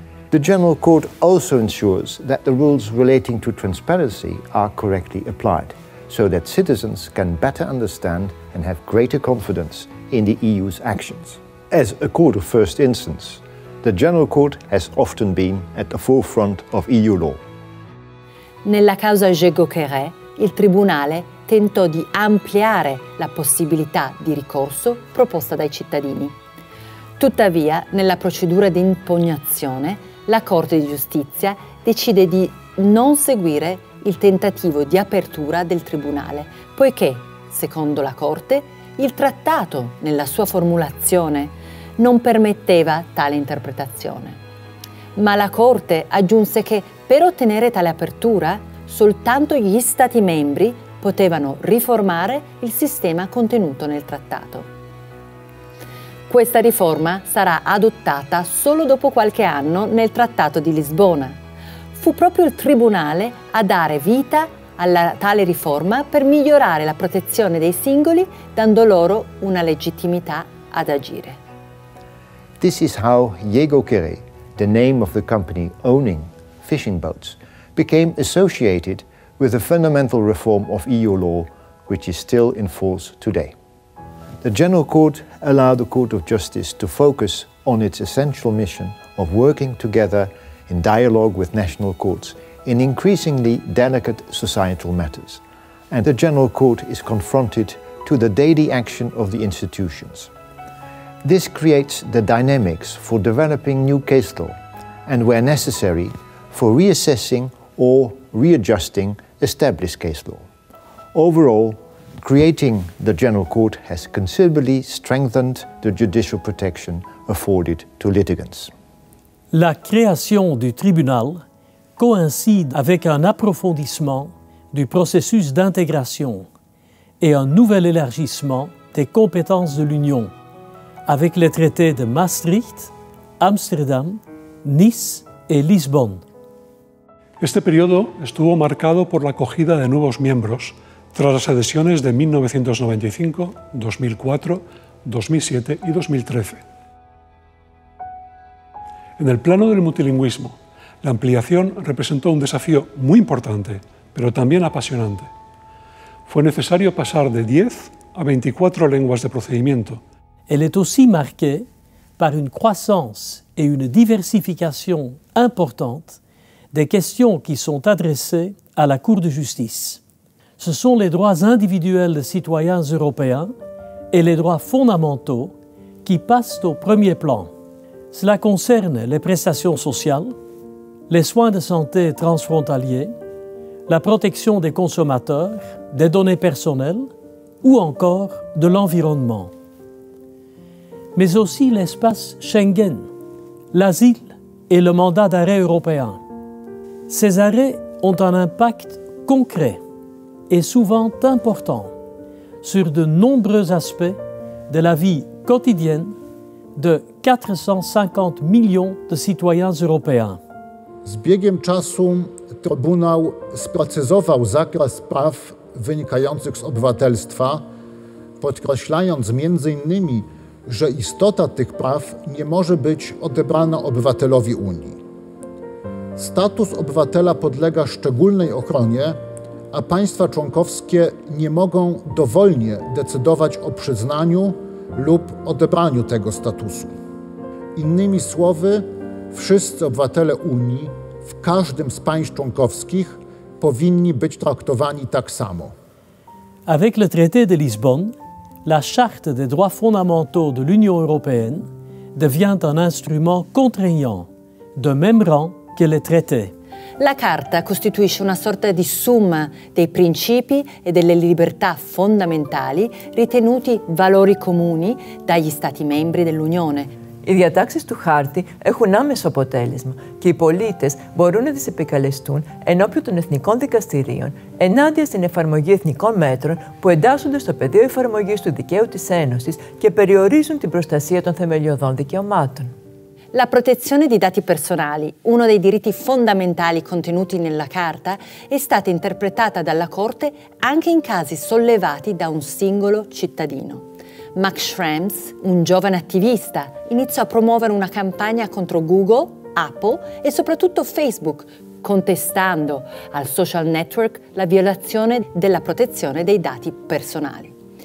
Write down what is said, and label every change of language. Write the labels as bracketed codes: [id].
[en] The General Court also ensures that the rules relating to transparency are correctly applied, so that citizens can better understand and have greater confidence in the EU's actions. As a court of first instance, the General Court has often been at the forefront of EU law. [it] Nella causa Jégo-Kéré, il Tribunale tentò di ampliare la possibilità di ricorso proposta dai cittadini. Tuttavia, nella procedura di impugnazione, la Corte di Giustizia decide di non seguire il tentativo di apertura del Tribunale, poiché, secondo la Corte, il Trattato, nella sua formulazione, non permetteva tale interpretazione. Ma la Corte aggiunse che, per ottenere tale apertura, soltanto gli Stati membri potevano riformare il sistema contenuto nel Trattato. Questa riforma sarà adottata solo dopo qualche anno nel Trattato di Lisbona. Fu proprio il Tribunale a dare vita alla tale riforma per migliorare la protezione dei singoli, dando loro una legittimità ad agire. [en] This is how Jégo-Kéré, the name of the company owning fishing boats, became associated with the fundamental reform of EU law, which is still in force today. The General Court allowed the Court of Justice to focus on its essential mission of working together in dialogue with national courts in increasingly delicate societal matters. And the General Court is confronted to the daily action of the institutions. This creates the dynamics for developing new case law and, where necessary, for reassessing or readjusting established case law. Overall, creating the General Court has considerably strengthened the judicial protection afforded to litigants. [fr] La création du tribunal coïncide avec un approfondissement du processus d'intégration et un nouvel élargissement des compétences de l'Union avec les traités de Maastricht, Amsterdam, Nice et Lisbonne. [es] Este periodo estuvo marcado por la acogida de nuevos miembros tras las adhesiones de 1995, 2004, 2007 y 2013. En el plano del multilingüismo, la ampliación representó un desafío muy importante, pero también apasionante. Fue necesario pasar de 10 a 24 lenguas de procedimiento. [fr] Elle est aussi marquée par une croissance et une diversification importante des questions qui sont adressées à la Cour de justice. Ce sont les droits individuels des citoyens européens et les droits fondamentaux qui passent au premier plan. Cela concerne les prestations sociales, les soins de santé transfrontaliers, la protection des consommateurs, des données personnelles ou encore de l'environnement. Mais aussi l'espace Schengen, l'asile et le mandat d'arrêt européen. Ces arrêts ont un impact concret et souvent important sur de nombreux aspects de la vie quotidienne de 450 millions de citoyens européens. [pl] Z biegiem czasu Trybunał sprecyzował zakres praw wynikających z obywatelstwa, podkreślając m.in., że istota tych praw nie może być odebrana obywatelowi Unii. Status obywatela podlega szczególnej ochronie, a państwa członkowskie nie mogą dowolnie decydować o przyznaniu lub odebraniu tego statusu. Innymi słowy, wszyscy obywatele Unii w każdym z państw członkowskich powinni być traktowani tak samo. [fr] Avec le traité de Lisbonne, la charte des droits fondamentaux de l'Union européenne devient un instrument contraignant, de même rang que les traités. [it] La carta costituisce una sorta di summa dei principi e delle libertà fondamentali ritenuti valori comuni dagli stati membri dell'Unione. [el] Οι διατάξεις του χάρτη έχουν άμεσο αποτέλεσμα και οι πολίτες μπορούν να τις επικαλεστούν ενώπιον των εθνικών δικαστηρίων ενάντια στην εφαρμογή εθνικών μέτρων που εντάσσονται στο πεδίο εφαρμογής του δικαίου της Ένωσης και περιορίζουν την προστασία των θεμελιωδών δικαιωμάτων. [it] La protezione dei dati personali, uno dei diritti fondamentali contenuti nella Carta, è stata interpretata dalla Corte anche in casi sollevati da un singolo cittadino. Max Schrems, un giovane attivista, iniziò a promuovere una campagna contro Google, Apple e soprattutto Facebook, contestando al social network la violazione della protezione dei dati personali.